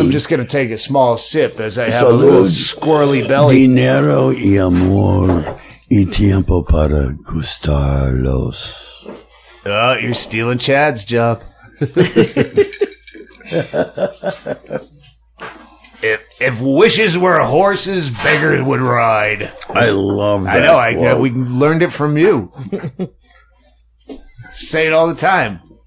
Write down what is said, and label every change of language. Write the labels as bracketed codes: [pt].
[en] I'm just going to take a small sip as I have salud. A little squirrely belly. [es] Dinero y amor y tiempo para gustarlos. [en] Oh, you're stealing Chad's job. If wishes were horses, beggars would ride. I love that. I know. We learned it from you. Say it all the time.